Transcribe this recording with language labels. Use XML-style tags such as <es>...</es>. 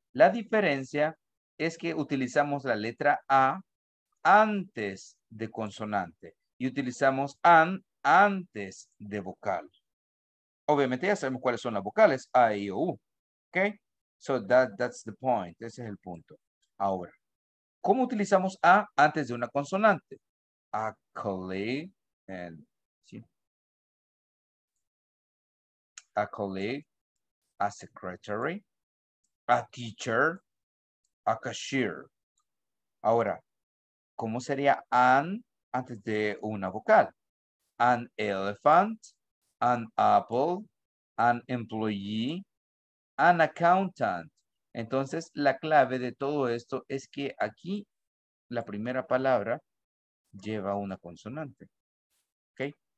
<es>La diferencia es que utilizamos la letra A antes de consonante. Y utilizamos an antes de vocal. Obviamente ya sabemos cuáles son las vocales. A, I, O, U. ¿Ok?</es> <en>So that's the point.</en> <es>Ese es el punto. Ahora, ¿cómo utilizamos A antes de una consonante?</es> <en>Actually, and a colleague, a secretary, a teacher, a cashier.</en> <es>Ahora, ¿cómo sería an antes de una vocal?</es> <en>An elephant, an apple, an employee, an accountant.</en> <es>Entonces, la clave de todo esto es que aquí la primera palabra lleva una consonante. ¿Ok?</es>